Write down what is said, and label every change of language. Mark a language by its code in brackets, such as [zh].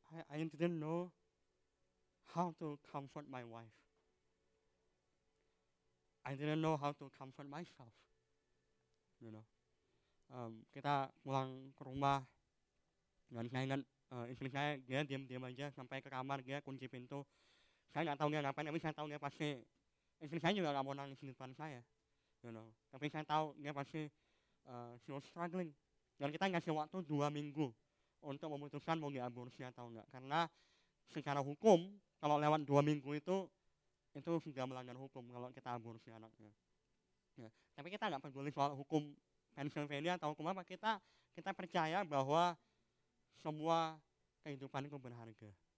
[en] I didn't know how to comfort my wife. I didn't know how to comfort myself. You know, [id] kita pulang ke rumah dan saya ingat istri saya dia diam-diam aja sampai ke kamar dia kunci pintu. Saya nggak tahu dia ngapain, tapi saya tahu dia pasti istri saya juga nggak mau nangis di depan saya, [en] you know. [id] Tapi saya tahu dia pasti [en] she was struggling. [id] Dan kita ngasih waktu 2 minggu untuk memutuskan mau diaborsi atau enggak. Karena secara hukum kalau lewat 2 minggu itu sudah melanggar hukum kalau kita aborsi anaknya. Ya. Tapi kita nggak peduli soal hukum Pennsylvania atau kemana pak, kita percaya bahwa semua kehidupan itu berharga.